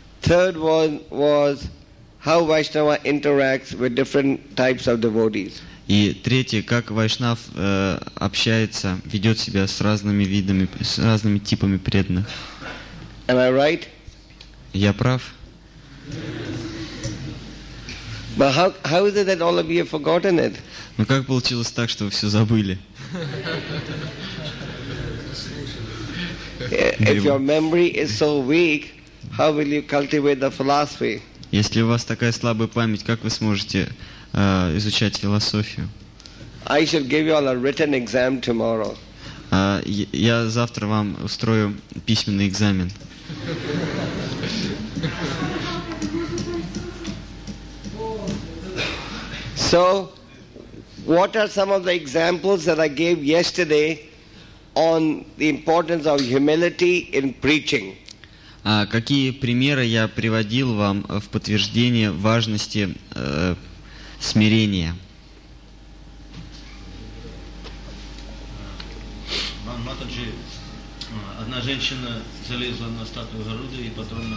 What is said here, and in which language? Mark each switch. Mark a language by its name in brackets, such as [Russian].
[English] Third one was how Vaishnava interacts with different types of devotees. [Russian] И третье, как Вайшнав общается, ведет себя с разными видами, с разными типами преданных. [English] Am I right? [Russian] Я прав? [English] But how is it that all of you have forgotten it? [Russian] Ну как получилось так, что вы все забыли? [English] If your memory is so weak, how will you cultivate the philosophy? [Russian] Если у вас такая слабая память, как вы сможете изучать философию? [English] I shall give you all a written exam tomorrow. [Russian] Я завтра вам устрою письменный экзамен. [English] So, what are some of the examples that I gave yesterday on the importance of humility in preaching? [Russian] Какие примеры я приводил вам в подтверждение важности смирения? Матаджи, одна женщина залезла на статую Гаруды и потом на